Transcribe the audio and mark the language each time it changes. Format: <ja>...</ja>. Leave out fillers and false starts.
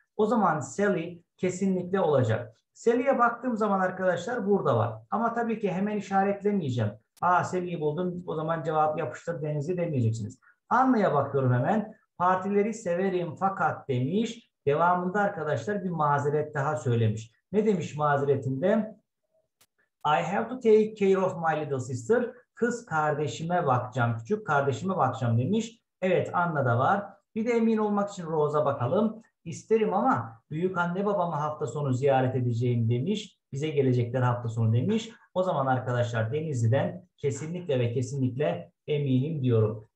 <tr>O zaman Sally kesinlikle olacak. Sally'ye baktığım zaman arkadaşlar burada var. Ama tabii ki hemen işaretlemeyeceğim. Aa Sally'yi buldum. O zaman cevap yapıştır Deniz'i demeyeceksiniz. Anna'ya bakıyorum hemen. Partileri severim fakat demiş. Devamında arkadaşlar bir mazeret daha söylemiş. Ne demiş mazeretinde?</tr> <en>I have to take care of my little sister.</en> <tr>Kız kardeşime bakacağım, küçük kardeşime bakacağım demiş. Evet, Anna da var. Bir de emin olmak için Rose'a bakalım. İsterim ama büyük anne babamı hafta sonu ziyaret edeceğim demiş. Bize gelecekler hafta sonu demiş. O zaman arkadaşlar Denizli'den kesinlikle ve kesinlikle eminim diyorum.</tr>